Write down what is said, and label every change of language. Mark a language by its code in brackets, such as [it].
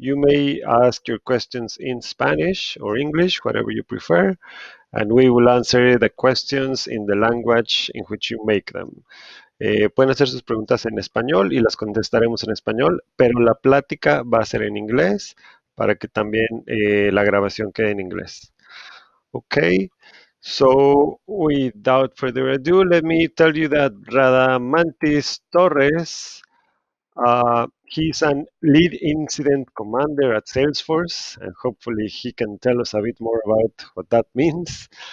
[en] You may ask your questions in Spanish or English, whatever you prefer, and we will answer the questions in the language in which you make them. [es] Pueden hacer sus preguntas en español y las contestaremos en español, pero la plática va a ser en inglés para que también la grabación quede en inglés. [en] Okay. So, without further ado, let me tell you that Radamantis Torres. He's a lead incident commander at Salesforce, and hopefully he can tell us a bit more about what that means.